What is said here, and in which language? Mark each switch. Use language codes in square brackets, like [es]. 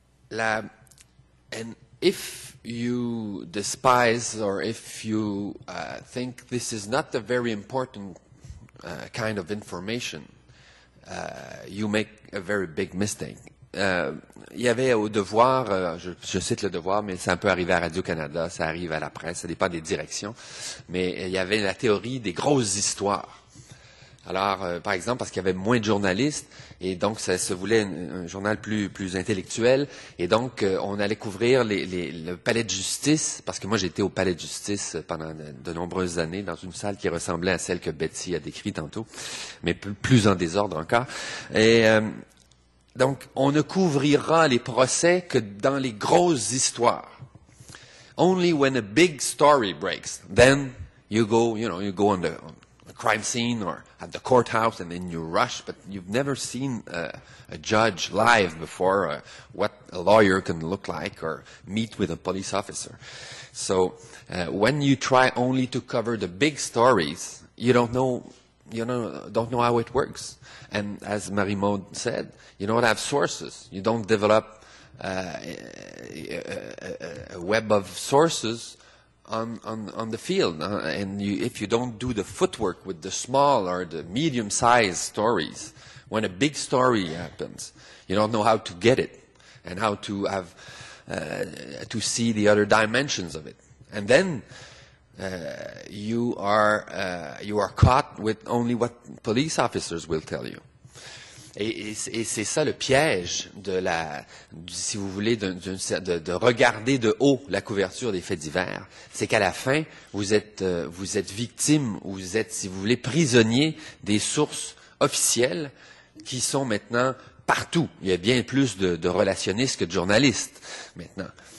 [en] And if you despise or if you think this is not a very important kind of information, you make a very big mistake. [fr] Il y avait au Devoir, je cite le Devoir, mais ça peut arriver à Radio-Canada, ça arrive à la presse, ça dépend des directions, mais il y avait la théorie des grosses histoires. Alors, par exemple, parce qu'il y avait moins de journalistes, et donc ça se voulait un journal plus intellectuel, et donc on allait couvrir le palais de justice, parce que moi j'étais au palais de justice pendant de nombreuses années, dans une salle qui ressemblait à celle que Betsy a décrite tantôt, mais plus en désordre encore, et... Donc, on ne couvrira les procès que dans les grosses histoires. [en] Only when a big story breaks, then you go on the crime scene or at the courthouse and then you rush, but you've never seen a judge live before, what a lawyer can look like or meet with a police officer. So, when you try only to cover the big stories, you don't know how it works. And as Marie-Maud said, you don't have sources. You don't develop a web of sources on the field. And if you don't do the footwork with the small or the medium-sized stories, when a big story happens, you don't know how to get it and how to have to see the other dimensions of it. And then you are caught with only what police officers will tell you. [fr] Et c'est ça le piège de regarder de haut la couverture des faits divers. C'est qu'à la fin, vous êtes victime, ou vous êtes, si vous voulez, prisonnier des sources officielles qui sont maintenant partout. Il y a bien plus de relationnistes que de journalistes maintenant.